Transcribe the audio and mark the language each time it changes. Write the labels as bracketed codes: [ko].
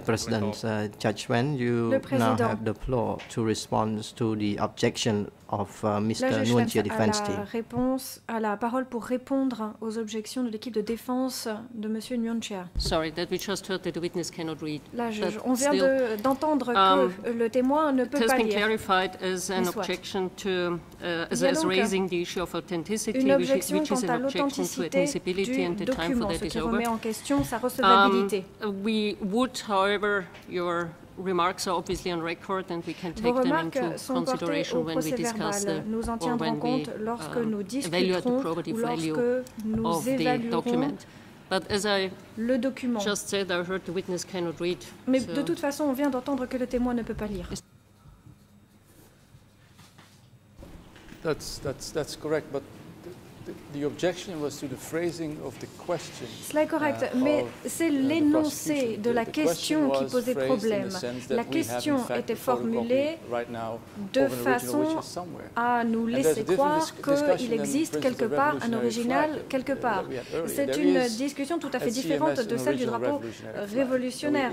[en] President, Judge Wen, you now have the floor to respond to the objection of Mr. Nguyen-Chia defense team. [fr] Réponse à la parole pour répondre aux objections de l'équipe de défense de Monsieur Nguyen-Chia. [en] Sorry, that we just heard that the witness cannot read. [fr] La juge, on vient d'entendre que le témoin ne peut pas lire. [en] It has been clarified as an objection to as raising the issue of authenticity, which is an objection to admissibility and the time for that is over. [fr] Ce qui remet en question sa recevabilité. [en] We would, however, your remarks are obviously on record, and we can take them into consideration when we discuss the or when we evaluate the probative value of the document. But as I just said, I heard the witness cannot read. [fr] Mais de toute façon, on vient d'entendre que le témoin ne peut pas lire. [en] That's correct, but the objection was to the phrasing of the question. [fr] Cela est correct, mais c'est l'énoncé de la question qui posait problème. La question était formulée de façon à nous laisser croire qu'il existe quelque part un original quelque part. C'est une discussion tout à fait différente de celle du drapeau révolutionnaire.